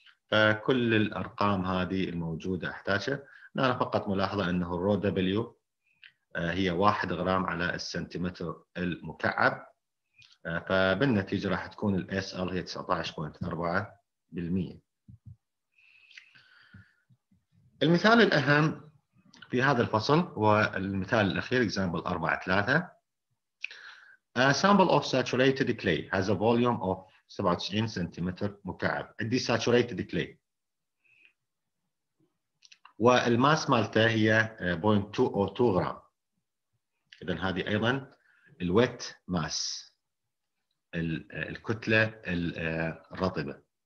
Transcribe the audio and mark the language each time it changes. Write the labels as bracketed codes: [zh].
[ar] فكل الارقام هذه الموجوده احتاجها. نرى فقط ملاحظه انه الرو دبليو هي 1 غرام على السنتيمتر المكعب، فبالنتيجه راح تكون الاس ال هي 19.4%. [en] المثال الاهم في هذا الفصل والمثال الأخير example 4-3 A sample of saturated clay has a volume of 97 centimetre مكعب. [ar] عندي saturated clay والماس مالته هي 0.202 غرام، إذا هذه أيضا ال wet mass الكتلة الرطبة.